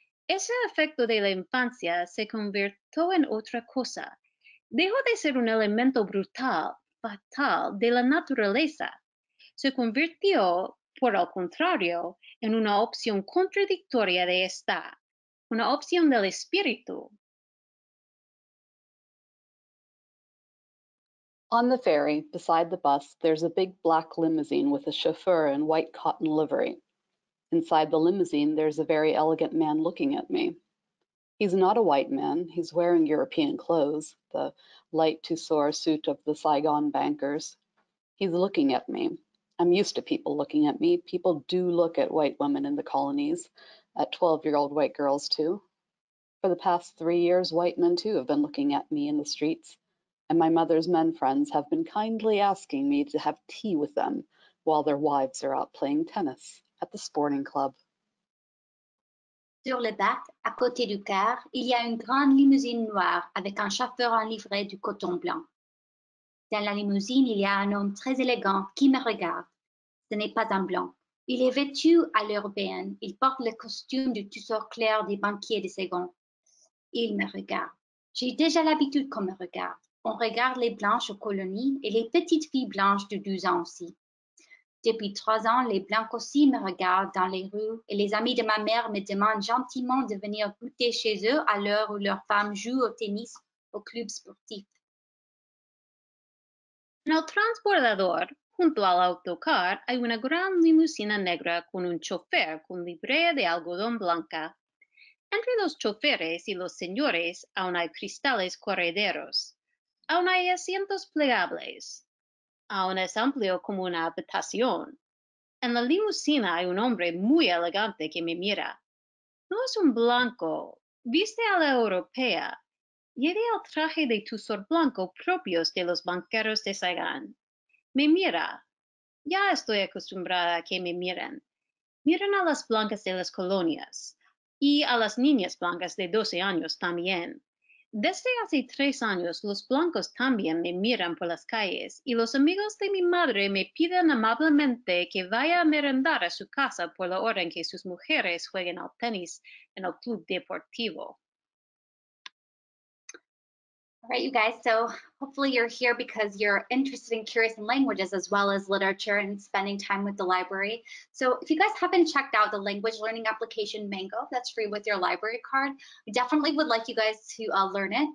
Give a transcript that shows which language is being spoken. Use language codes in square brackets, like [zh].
[es] Ese efecto de la infancia se convirtió en otra cosa. Dejó de ser un elemento brutal, fatal, de la naturaleza. Se convirtió, por el contrario, en una opción contradictoria de esta, una opción del espíritu. [en] On the ferry, beside the bus, there's a big black limousine with a chauffeur in white cotton livery. Inside the limousine, there's a very elegant man looking at me. He's not a white man. He's wearing European clothes, the light tussore suit of the Saigon bankers. He's looking at me. I'm used to people looking at me. People do look at white women in the colonies, at 12-year-old white girls too. For the past 3 years, white men too have been looking at me in the streets, and my mother's men friends have been kindly asking me to have tea with them while their wives are out playing tennis at the sporting club. [fr] Sur le bac, à côté du car, il y a une grande limousine noire avec un chauffeur en livrée du coton blanc. Dans la limousine, il y a un homme très élégant qui me regarde. Ce n'est pas un blanc. Il est vêtu à l'européenne. Il porte le costume du tuteur clair des banquiers de Saigon. Il me regarde. J'ai déjà l'habitude qu'on me regarde. On regarde les blanches aux colonies et les petites filles blanches de 12 ans aussi. Depuis 3 ans, les blancs aussi me regardent dans les rues et les amis de ma mère me demandent gentiment de venir goûter chez eux à l'heure où leurs femmes jouent au tennis au club sportif. [es] Au transbordador, junto al autocar, hay una gran limusina negra con un chofer con librea de algodón blanca. Entre los choferes y los señores, aún hay cristales correderos. Aún hay asientos plegables. Aún es amplio como una habitación. En la limusina hay un hombre muy elegante que me mira. No es un blanco. Viste a la europea. Lleve el traje de tusor blanco propios de los banqueros de Saigon. Me mira. Ya estoy acostumbrada a que me miren. Miren a las blancas de las colonias. Y a las niñas blancas de 12 años también. Desde hace 3 años, los blancos también me miran por las calles y los amigos de mi madre me piden amablemente que vaya a merendar a su casa por la hora en que sus mujeres jueguen al tenis en el club deportivo. [en] All right, you guys, so hopefully you're here because you're interested and curious in languages as well as literature and spending time with the library. So if you guys haven't checked out the language learning application Mango, that's free with your library card, I definitely would like you guys to learn it.